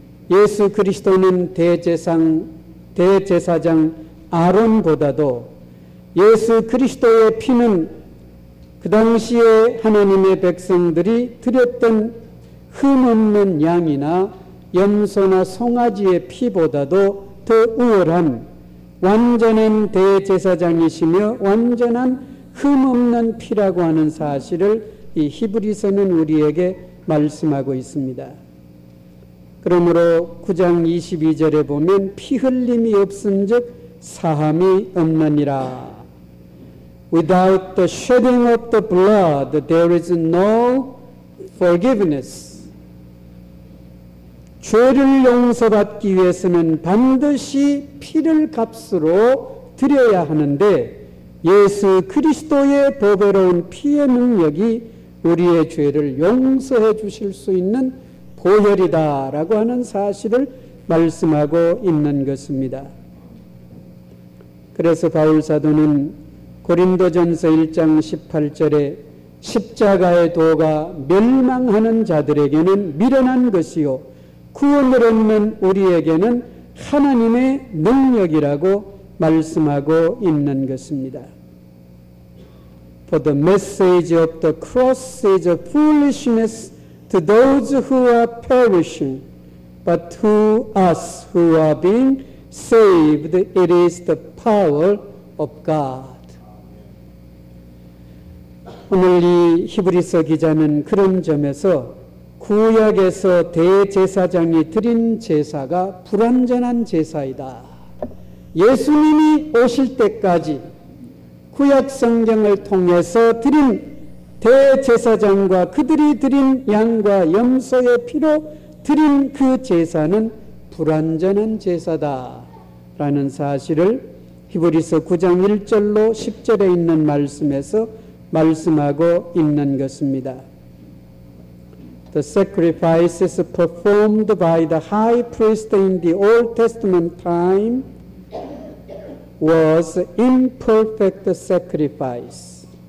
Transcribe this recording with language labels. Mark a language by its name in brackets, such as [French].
[Korean] 예수 그리스도는 대제사장 아론보다도 예수 그리스도의 피는 그 당시에 하나님의 백성들이 드렸던 흠없는 양이나 염소나 송아지의 피보다도 더 우월한 완전한 대제사장이시며 완전한 흠없는 피라고 하는 사실을 이 히브리서는 우리에게 말씀하고 있습니다. 그러므로 9장 22절에 보면 피 흘림이 없은즉 사함이 없느니라. [English] Without the shedding of the blood, there is no forgiveness. [Korean] 죄를 용서받기 위해서는 반드시 피를 값으로 드려야 하는데 예수 그리스도의 보배로운 피의 능력이 우리의 죄를 용서해 주실 수 있는 보혈이다라고 하는 사실을 말씀하고 있는 것입니다. 그래서 바울사도는 고린도전서 1장 18절에 십자가의 도가 멸망하는 자들에게는 미련한 것이요 구원을 얻는 우리에게는 하나님의 능력이라고 말씀하고 있는 것입니다. [English] For the message of the cross is a foolishness to those who are perishing, but to us who are being saved, it is the power of God. [Korean] 오늘 이 히브리서 기자는 그런 점에서 구약에서 대제사장이 드린 제사가 불완전한 제사이다. 예수님이 오실 때까지 구약 성경을 통해서 드린 대제사장과 그들이 드린 양과 염소의 피로 드린 그 제사는 불완전한 제사다 라는 사실을 히브리서 9장 1절로 10절에 있는 말씀에서 말씀하고 있는 것입니다. [English] The sacrifices performed by the high priest in the Old Testament time was imperfect sacrifice.